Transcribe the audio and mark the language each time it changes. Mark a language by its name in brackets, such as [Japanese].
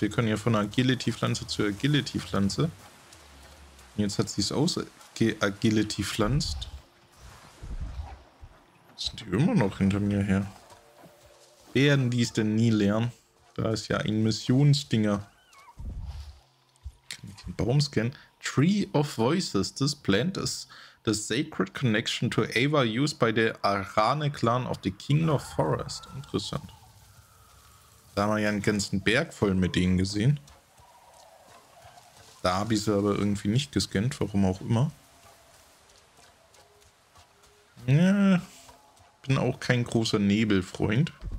[German] Wir können ja von Agility-Pflanze zu Agility-Pflanze. Jetzt hat sie es aus Agility-Pflanzt. Sind die immer noch hinter mir her? Werden die es denn nie lernen? Da ist ja ein Missionsdinger. mit dem Baumscan. Tree of Voices. [English] This plant is the sacred connection to Eivor used by the Arane Clan of the King of Forest. [German] Interessant. Da haben wir ja einen ganzen Berg voll mit denen gesehen. Da habe ich sie aber irgendwie nicht gescannt, warum auch immer. Ja, bin auch kein großer Nebelfreund.